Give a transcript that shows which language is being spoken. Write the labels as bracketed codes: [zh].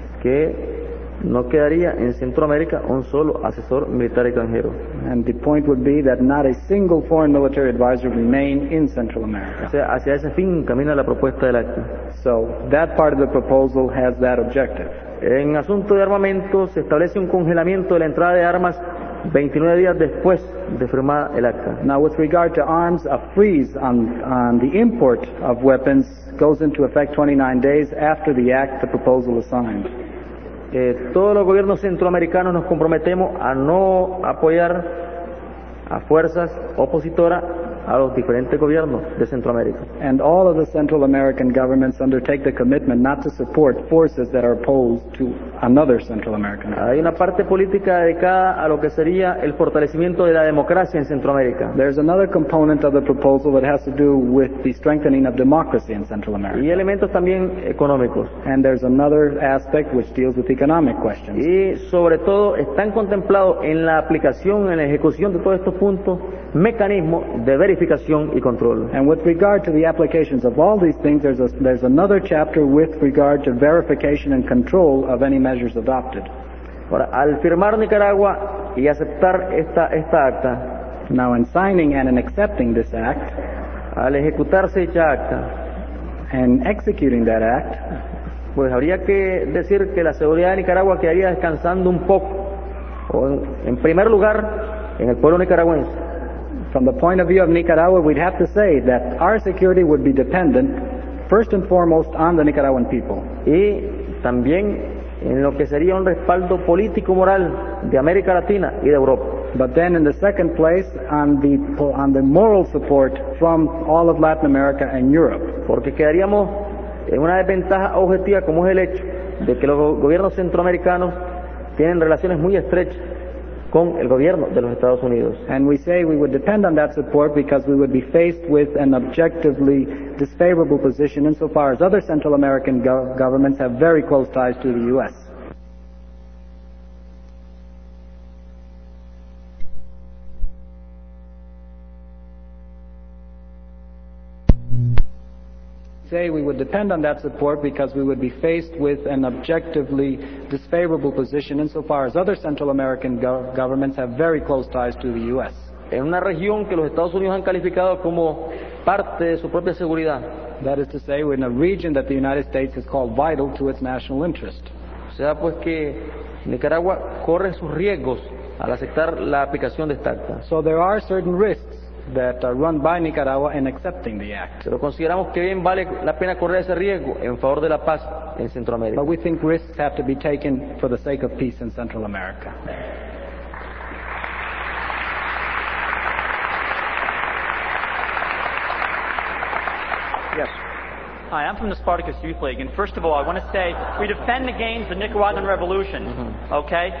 [es] Que no quedaría en Centroamérica un solo asesor militar extranjero. [en] And the point would be that not a single foreign military advisor remain in Central America. [es] O sea, hacia ese fin camina la propuesta del acta. [en] So that part of the proposal has that objective. [es] En asunto de armamento se establece un congelamiento de la entrada de armas 29 días después de firmar el acta. [en] Now with regard to arms, a freeze on the import of weapons goes into effect 29 days after the act the proposal is signed. [es] Todos los gobiernos centroamericanos nos comprometemos a no apoyar a fuerzas opositoras a los diferentes gobiernos de Centroamérica. [en] And all of the Central American governments undertake the commitment not to support forces that are opposed to another Central American government. [es] Hay una parte política dedicada a lo que sería el fortalecimiento de la democracia en Centroamérica. [en] There's another component of the proposal that has to do with the strengthening of democracy in Central America. [es] Y elementos también económicos. [en] And there's another aspect which deals with economic questions. [es] Y sobre todo están contemplados en la aplicación, en la ejecución de todos estos puntos, mecanismos de verificación y control. [en] And with regard to the applications of all these things, there's another chapter with regard to verification and control of any measures adopted. [es] Ahora, al firmar Nicaragua y aceptar esta acta, [en] now in signing and in accepting this act, [es] al ejecutarse dicha acta, [en] and executing that act, [es] pues habría que decir que la seguridad de Nicaragua quedaría descansando un poco, o en primer lugar, en el pueblo nicaragüense. [en] From the point of view of Nicaragua, we'd have to say that our security would be dependent, first and foremost, on the Nicaraguan people. [es] Y también en lo que sería un respaldo político-moral de América Latina y de Europa. [en] But then, in the second place, on the moral support from all of Latin America and Europe. [es] Porque quedaríamos en una desventaja objetiva, como es el hecho de que los gobiernos centroamericanos tienen relaciones muy estrechas con el gobierno de los Estados Unidos. [en] And we say we would depend on that support because we would be faced with an objectively disfavorable position insofar as other Central American governments have very close ties to the U.S. Say we would depend on that support because we would be faced with an objectively disfavorable position insofar as other Central American governments have very close ties to the U.S. [es] En una región que los Estados Unidos han calificado como parte de su propia seguridad. [en] That is to say, in a region that the United States has called vital to its national interest. [es] O sea, pues que Nicaragua corre sus riesgos al aceptar la aplicación de esta acta. [en] So there are certain risks that are run by Nicaragua in accepting the act. [es] Pero consideramos que bien vale la pena correr ese riesgo en favor de la paz en Centroamérica. [en] But we think risks have to be taken for the sake of peace in Central America. Yes. Hi, I'm from the Spartacus Youth League, and first of all, I want to say we defend the gains of the Nicaraguan Revolution, okay?